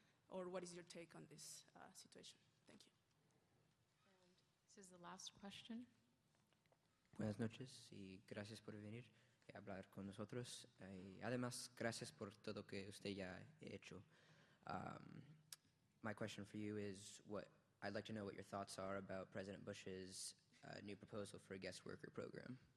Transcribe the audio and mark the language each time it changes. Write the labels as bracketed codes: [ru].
[en] Or what is your take on this situation? Thank you. And this is the last question. [es] Buenas noches y gracias por venir a hablar con nosotros. Y además, gracias por todo que usted ya ha hecho. [en] My question for you is, I'd like to know what your thoughts are about President Bush's new proposal for a guest worker program.